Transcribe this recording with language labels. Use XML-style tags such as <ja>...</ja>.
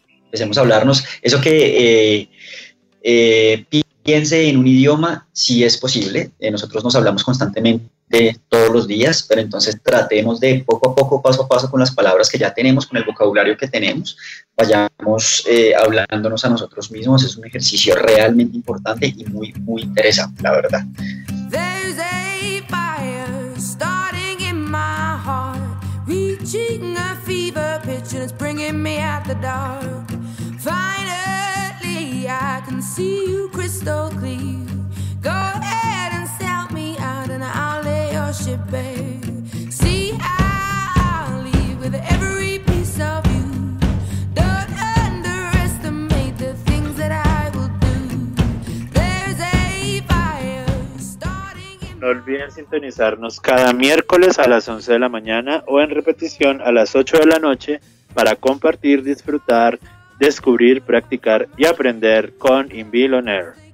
<es>Empecemos a hablarnos eso que piense en un idioma, si es posible. Nosotros nos hablamos constantemente todos los días, pero entonces tratemos de poco a poco, paso a paso, con las palabras que ya tenemos, con el vocabulario que tenemos, vayamos hablándonos a nosotros mismos. Es un ejercicio realmente importante y muy, muy interesante, la verdad.</es> <en>There's a fire starting in my heart, reaching a fever pitch and it's bringing me out the dark. Finally I can see you crystal clear. Go ahead and sell me out and I'll lay your ship bare. See how I'll leave with every piece of you. Don't underestimate the things that I will do. There's a fire starting in...</en> <es>No olviden sintonizarnos cada miércoles a las 11 de la mañana o en repetición a las 8 de la noche para compartir, disfrutar, descubrir, practicar y aprender con InVille on Air.</es>